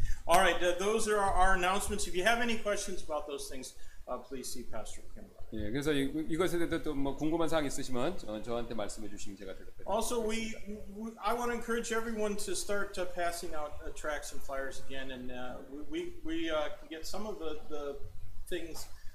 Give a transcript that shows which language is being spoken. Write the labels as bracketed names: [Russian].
[English] All right, those are our announcements. If you have any questions about those things, please see Pastor Kim. [Korean] 예, 그래서 이것에 대해서 또 뭐 궁금한 사항 있으시면 저한테 말씀해 주시면 제가 대답해드립니다. [English] Also, I want to encourage everyone to start passing out tracts and flyers again, and we get some of the things.